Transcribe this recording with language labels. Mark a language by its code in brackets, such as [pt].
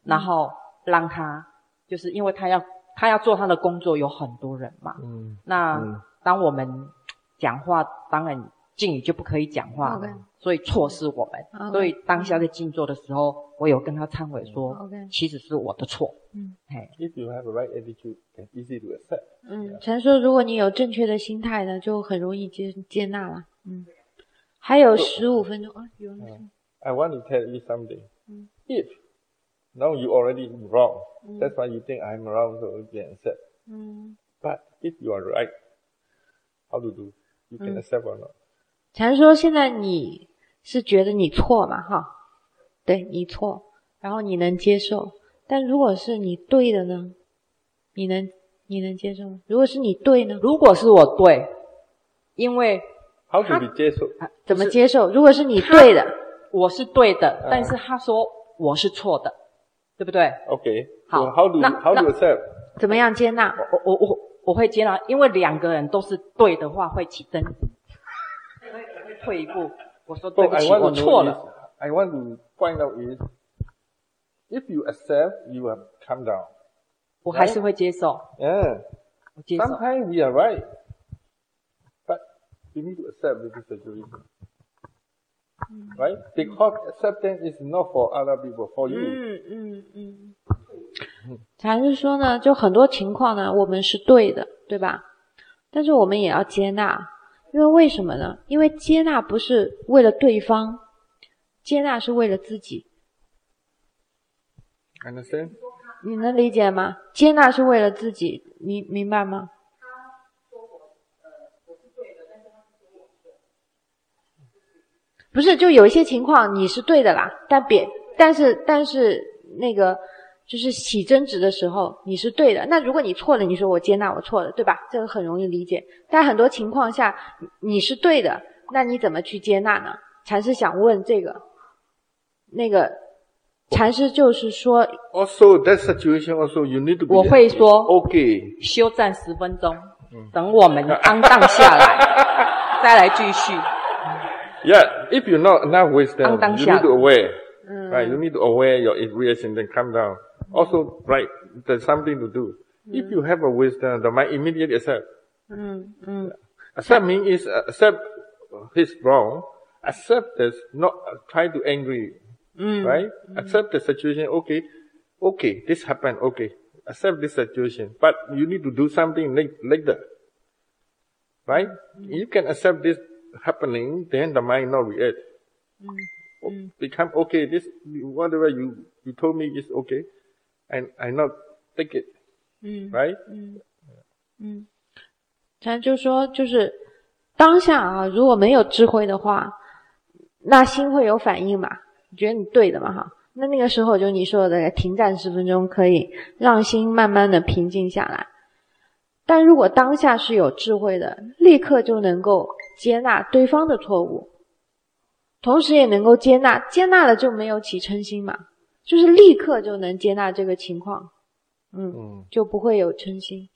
[zh] 然后让他，就是因为他要做他的工作，有很多人嘛。嗯，那当我们讲话，当然静语就不可以讲话了，所以错是我们。所以当下在静坐的时候，我有跟他忏悔说，其实是我的错。嗯 [en] ，If you have the right attitude, it's easy to accept. [zh] 嗯，陈说如果你有正确的心态呢，就很容易接纳了。嗯。还有15分钟啊，有人说。 [en] I want to tell you something. If now you already wrong, that's why you think I'm wrong, so you can accept. But if you are right, how to do? You can accept or not? [zh] 禅说现在你是觉得你错嘛，哈？对，你错，然后你能接受。但如果是你对的呢？你能接受吗？如果是你对呢？如果是我对，因为。 [en] How do you [zh] 接受、啊、怎么接受？如果是你对的，我是对的，但是他说我是错的，对不对 [en] ？OK， [zh] 好、 [en] so、，How do you, how do you accept？ [zh] 怎么样接纳？我会接纳，因为两个人都是对的话会起争执，会退一步。我说对不起， [en] well, [zh] 我错了。 [en] I want to find out is if you accept, you have come down、right?。 [zh] 我还是会接受。 [en] Yeah， [zh] 我接受。 [en] Sometimes we are right。 You need to accept this situation, right? Because acceptance is not for other people, for you. [zh] 禅师说呢，就很多情况呢，我们是对的，对吧？但是我们也要接纳，因为为什么呢？因为接纳不是为了对方，接纳是为了自己。 [en] Understand? [zh] 你能理解吗？接纳是为了自己，你明白吗？不是，就有一些情况你是对的啦，但是那个就是起争执的时候你是对的，那如果你错了，你说我接纳我错了，对吧？这个很容易理解。但很多情况下你是对的，那你怎么去接纳呢？禅师想问这个，那个禅师就是说 [en] also that situation also you need to be [zh] 我会说 [en] OK [zh] 休战十分钟等我们安荡下来再来继续 [en] Yeah, if you're not enough wisdom you need to aware right, you need to aware your reaction then calm down also right, there's something to do if you have a wisdom the mind immediately accept accept means is accept he's wrong accept this not try to angry right accept the situation okay okay this happened okay accept this situation but you need to do something later right you can accept this happening then the mind not react become okay this whatever you told me is okay and I not take it right [zh] 禅就说就是当下啊，如果没有智慧的话，那心会有反应嘛？你觉得你对的嘛？哈，那个时候就你说的停战十分钟，可以让心慢慢的平静下来。但如果当下是有智慧的，立刻就能够接纳对方的错误，同时也能够接纳了就没有起嗔心嘛，就是立刻就能接纳这个情况，就不会有嗔心。